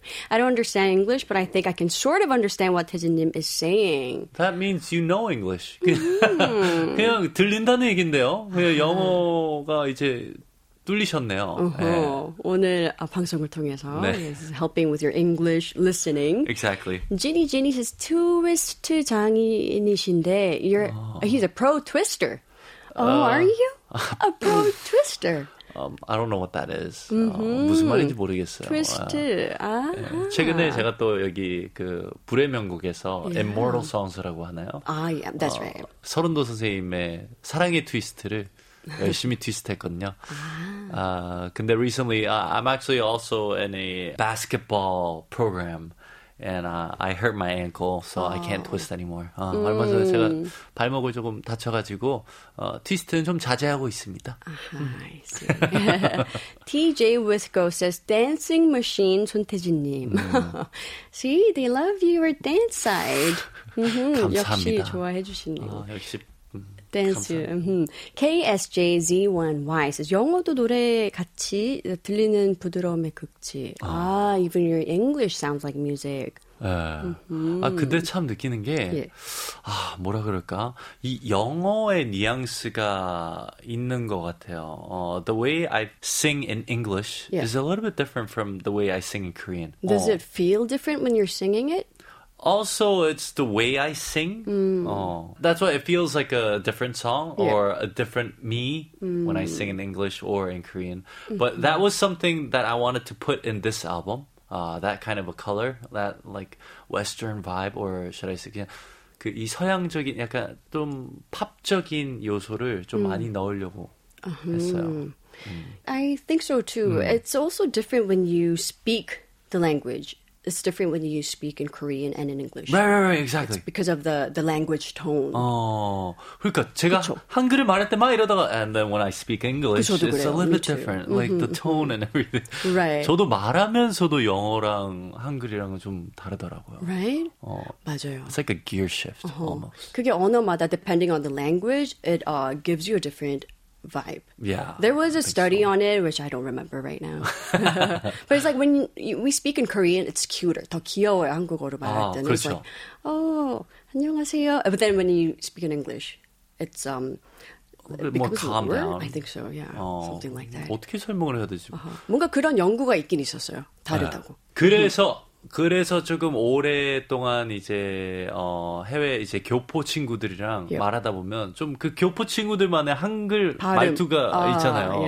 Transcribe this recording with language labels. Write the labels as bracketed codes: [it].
[en] I don't understand English, but I think I can sort of understand what 태진님 is saying. That means you know English. [ko] 그냥 들린다는 얘긴데요. 그냥 영어가 이제 뚫리셨네요. [en] Uh-huh. 네. [ko] 오늘 방송을 통해서 [en] 네. helping with your English listening. Exactly. Ginny Ginny says twist [ko] 장인이신데 [en] you're he's a pro twister. Are you a pro twister? I don't know what that is. Mm-hmm. [ko] 무슨 말인지 모르겠어요. [en] Twist. [ko] 최근에 제가 또 여기 그 불의 명곡에서 yeah. Immortal Songs라고 하나요? [en] Yeah, that's right. [ko] 서른도 선생님의 사랑의 트위스트를 열심히 트위스트했거든요. 근데 [en] recently, I'm actually also in a basketball program. And I hurt my ankle, so I can't twist anymore. [ko] 얼마 전에 제가 발목을 조금 다쳐가지고 트위스트는 좀 자제하고 있습니다. [en] I see. TJ Wisco says, Dancing Machine 손태진님. See, they love your dance side. [ko] 감사합니다. 역시 좋아해 주시네요. 역시. [en] Dance. [ko] KSJZ1Y says, 영어도 노래 같이 들리는 부드러움의 극치. [en] Even your English sounds like music. [ko] 근데 참 느끼는 게, 뭐라 그럴까? 이 영어의 뉘앙스가 있는 것 같아요. [en] The way I sing in English yeah. is a little bit different from the way I sing in Korean. Does it feel different when you're singing it? Also, it's the way I sing. That's why it feels like a different song yeah. or a different me when I sing in English or in Korean. But that was something that I wanted to put in this album. That kind of a color, that like Western vibe, or should I say, [ko] 그냥 그 이 서양적인 약간 좀 팝적인 요소를 좀 많이 넣으려고 했어요. [en] I think so too. It's also different when you speak the language. It's different when you speak in Korean and in English. Right, exactly. It's because of the language tone. [ko] 그러니까 제가 그쵸. 한글을 말할 때 막 이러다가 [en] and then when I speak English, [ko] 그쵸, [en] it's [ko] 그래요. [en] a little bit too. different. Mm-hmm, like the tone mm-hmm. and everything. Right. [ko] 저도 말하면서도 영어랑 한글이랑은 좀 다르더라고요. [en] Right? [ko] 맞아요. [en] It's like a gear shift, uh-huh. almost. [ko] 그게 언어마다 [en] depending on the language, it gives you a different vibe. Yeah. There was a study on it, which I don't remember right now. But it's like when we speak in Korean, it's cuter. [ko] 더 귀여워요, 한국어로 말할 때는. 그렇죠. [en] It's like, [ko] 안녕하세요. [en] But then when you speak in English, it's, it more calm lower? down. I think so, yeah. Something like that. [ko] 어떻게 설명을 해야 되지? 뭔가 그런 연구가 있긴 있었어요. 다르다고. 네. 그래서... 그래서 조금 오랫동안 이제 해외 이제 교포 친구들이랑 yep. 말하다 보면 좀 그 교포 친구들만의 한글 발음. 말투가 있잖아요.